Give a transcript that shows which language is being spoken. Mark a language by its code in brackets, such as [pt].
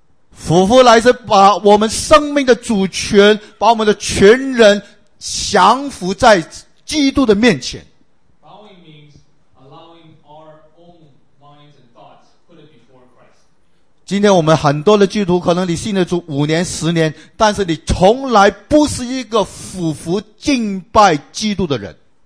[zh] 俯伏来是把我们生命的主权，把我们的全人降服在基督的面前。 [en] Bowing means allowing our own minds and thoughts put it before Christ. [zh] 今天我们很多的基督徒，可能你信了主五年、十年，但是你从来不是一个俯伏敬拜基督的人。